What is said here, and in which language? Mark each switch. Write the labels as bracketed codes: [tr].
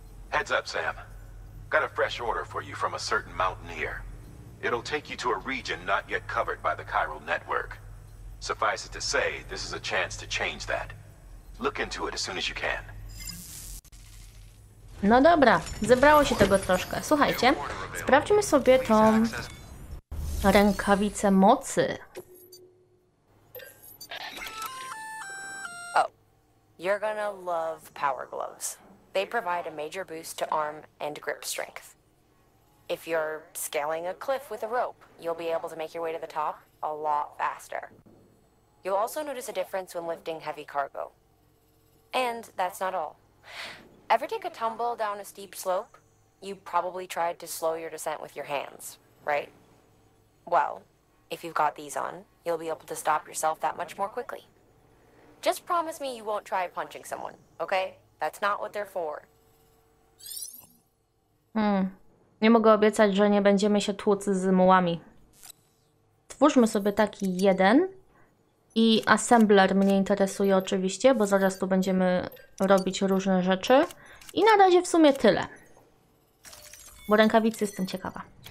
[en] Heads up, Sam. Got a fresh order for you from a certain mountaineer. It'll take you to a region not yet covered by the chiral network. Suffice it to say, this is a chance to change that. Look into it as soon as you can. [pl] No dobra, zebrało się tego troszkę. Słuchajcie, sprawdźmy sobie tą... rękawice mocy. [en] Oh, you're gonna love power gloves. They provide a major boost to arm and grip strength. If you're scaling a cliff with a rope, you'll be able to make your way to the top a lot faster. You'll also notice a difference when lifting heavy cargo. And that's not all. Ever take a tumble down a steep slope? You probably tried to slow your descent with your hands, right? Well, if you've got these on, you'll be able to stop yourself that much more quickly. Just promise me you won't try punching someone, okay? That's not what they're for. [pl] Nie mogę obiecać, że nie będziemy się tłuc z mułami. Twórzmy sobie taki jeden. I assembler mnie interesuje oczywiście, bo zaraz tu będziemy robić różne rzeczy. I na razie w sumie tyle. Bo rękawicy jestem ciekawa.